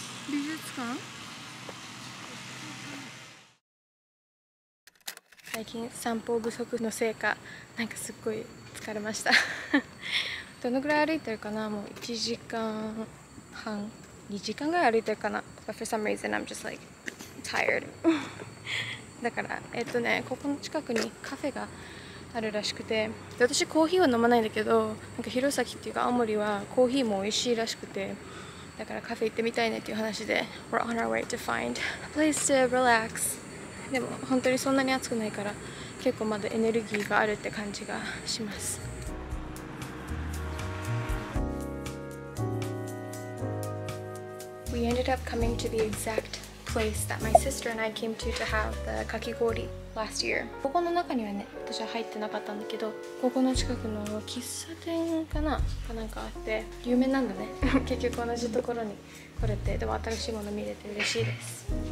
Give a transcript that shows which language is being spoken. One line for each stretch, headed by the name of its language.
Japanese: 美術館最近散歩不足のせいかなんかすっごい疲れました。どのぐらい歩いてるかな、もう1時間半2時間ぐらい歩いてるかな。
English: But for some reason I'm just like tired.
Japanese: だからここの近くにカフェがあるらしくて、で私コーヒーは飲まないんだけど、なんか弘前っていうか青森はコーヒーも美味しいらしくて、だからカフェ行ってみたいねっていう話で
English: We're on our way to find a place to relax.
Japanese: でも本当にそんなに暑くないから結構まだエネルギーがあるって感じがします。
English: We ended up coming to the exact place that my sister and I came to have the かき氷 last year.
Japanese: ここの中にはね私は入ってなかったんだけど、ここの近くの喫茶店かなかなんかあって有名なんだね。結局同じところに来れて、でも新しいもの見れて嬉しいです。